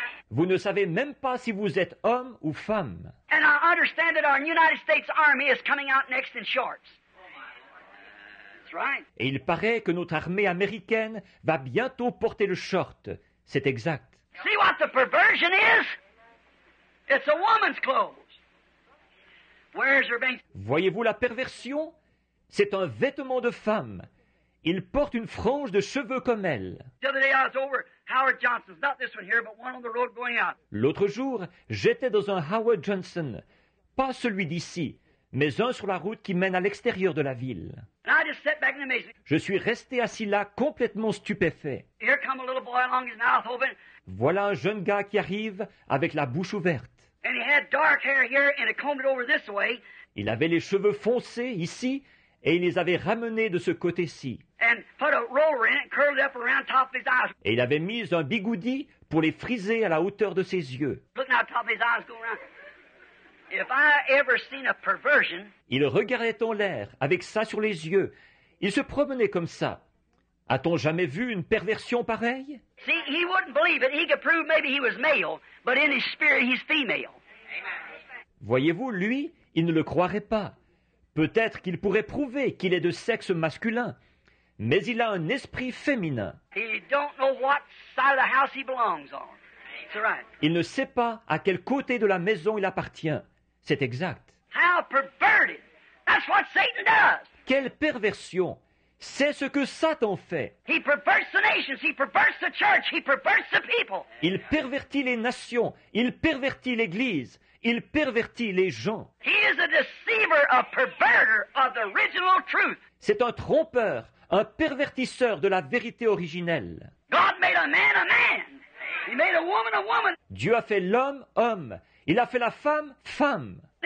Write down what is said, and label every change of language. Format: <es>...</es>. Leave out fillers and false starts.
<fr>Vous ne savez même pas si vous êtes homme ou femme.</fr> <en>And I understand that our United States Army is coming out next in shorts. Right.</en> <fr>Et il paraît que notre armée américaine va bientôt porter le short. C'est exact.</fr> <en>See what the perversion is? It's a woman's clothes. Where's her being?</en> <fr>Voyez-vous la perversion? C'est un vêtement de femme. Il porte une frange de cheveux comme elle.</fr> <en>The other day I was over Howard Johnson's, not this one here, but one on the road going out.</en> <fr>L'autre jour, j'étais dans un Howard Johnson, pas celui d'ici, mais un sur la route qui mène à l'extérieur de la ville.</fr> <en>And I just sat back in amazement.</en> <fr>Je suis resté assis là, complètement stupéfait.</fr> <en>Here come a little boy along his mouth open.</en> <fr>Voilà un jeune gars qui arrive avec la bouche ouverte.</fr> <en>And he had dark hair here and he combed it over this way.</en> <fr>Il avait les cheveux foncés ici et il les avait ramenés de ce côté-ci.</fr> <en>And put a roller in it, curled up around top of his eyes.</en> <fr>Et il avait mis un bigoudi pour les friser à la hauteur de ses yeux.</fr> <en>Looking out top of his eyes, going around. If I ever seen a perversion,</en> <fr>il regardait en l'air, avec ça sur les yeux. Il se promenait comme ça. A-t-on jamais vu une perversion pareille?</fr> <en>See, he wouldn't believe it. He could prove maybe he was male, but in his spirit, he's female. Amen.</en> <fr>Voyez-vous, lui, il ne le croirait pas. Peut-être qu'il pourrait prouver qu'il est de sexe masculin, mais il a un esprit féminin.</fr> <en>He don't know what side of the house he belongs on. That's right.</en> <fr>Il ne sait pas à quel côté de la maison il appartient. C'est exact.</fr> <en>How perverted. That's what Satan does.</en> <fr>Quelle perversion. C'est ce que Satan fait.</fr> <en>He perverts the nations. He perverts the church. He perverts the people.</en> <fr>Il pervertit les nations. Il pervertit l'Église. Il pervertit les gens.</fr> <en>He is a deceiver, a perverter of the original truth.</en> <fr>C'est un trompeur, un pervertisseur de la vérité originelle.</fr> <en>God made a man a man. He made a woman a woman.</en> <fr>Dieu a fait l'homme homme. Il a fait la femme, femme.</fr>